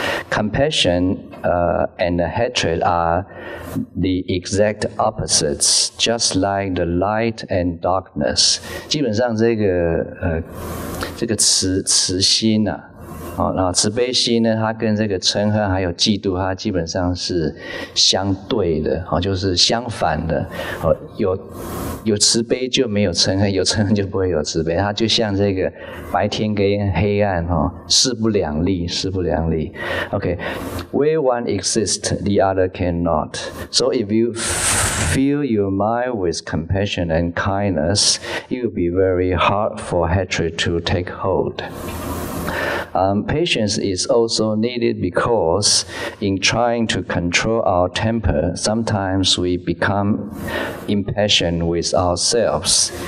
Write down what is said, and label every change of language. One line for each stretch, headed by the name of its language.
English: Compassion and hatred are the exact opposites, just like the light and darkness.
Chinese: 基本上这个这个慈心啊，哦，然后慈悲心呢，它跟这个嗔恨还有嫉妒，它基本上是相对的，哦，就是相反的，哦，有慈悲就没有嗔恨，有嗔恨就不会有慈悲，它就像这个白天跟黑暗，哦，势不两立。
English: OK, where one exists, the other cannot. So if you fill your mind with compassion and kindness, it will be very hard for hatred to take hold. Patience is also needed because in trying to control our temper, sometimes we become impatient with ourselves.